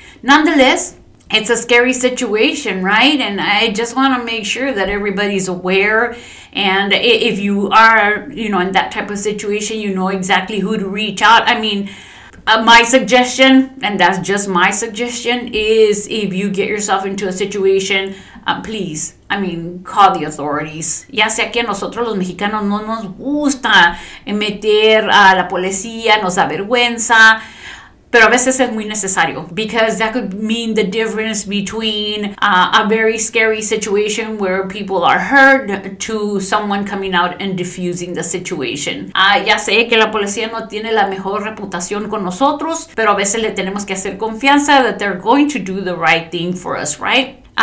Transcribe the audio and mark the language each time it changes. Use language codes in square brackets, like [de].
[en] Nonetheless, it's a scary situation, right? And I just want to make sure that everybody's aware. And if you are, in that type of situation, you know exactly who to reach out. My suggestion, and that's just my suggestion, is if you get yourself into a situation, please, call the authorities. [es] Ya sea que nosotros los mexicanos no nos gusta meter a la policía, nos avergüenza. Pero a veces es muy necesario, [en] because that could mean the difference between a very scary situation where people are hurt to someone coming out and defusing the situation. [es] Ya sé que la policía no tiene la mejor reputación con nosotros, pero a veces le tenemos que hacer confianza [en] that they're going to do the right thing for us, right?